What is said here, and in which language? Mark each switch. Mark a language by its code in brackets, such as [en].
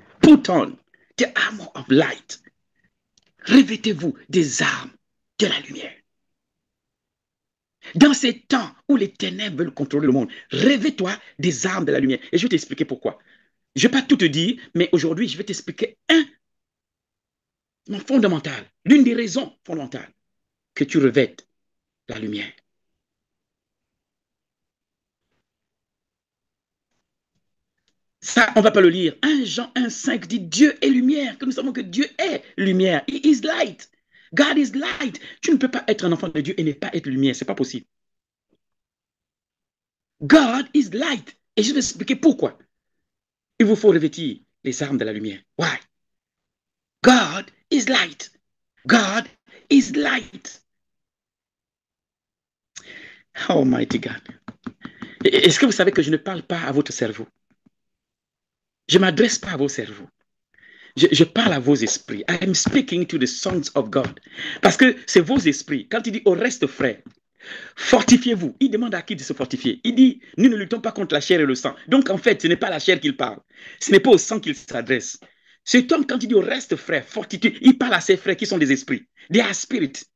[en] Put on the armor of light. [fr] Revêtez-vous des armes de la lumière. Dans ces temps où les ténèbres veulent contrôler le monde, revêt-toi des armes de la lumière. Et je vais t'expliquer pourquoi. Je ne vais pas tout te dire, mais aujourd'hui, je vais t'expliquer un élément fondamental, l'une des raisons fondamentales que tu revêtes la lumière. Ça, on ne va pas le lire. 1 Jean 1, 5 dit Dieu est lumière, que nous savons que Dieu est lumière. [en] He is light. God is light. [fr] Tu ne peux pas être un enfant de Dieu et ne pas être lumière. Ce n'est pas possible. [en] God is light. [fr] Et je vais t'expliquer pourquoi. Il vous faut revêtir les armes de la lumière. [en] Why? God is light. God is light. Oh, mighty God. [fr] Est-ce que vous savez que je ne parle pas à votre cerveau? Je ne m'adresse pas à vos cerveaux. Je parle à vos esprits. [en] I am speaking to the sons of God. [fr] Parce que c'est vos esprits. Quand il dit au reste, frère, fortifiez-vous. Il demande à qui de se fortifier. Il dit, nous ne luttons pas contre la chair et le sang. Donc, en fait, ce n'est pas la chair qu'il parle. Ce n'est pas au sang qu'il s'adresse. Cet homme, quand il dit reste frère, fortitude, il parle à ses frères qui sont des esprits. Des spirits.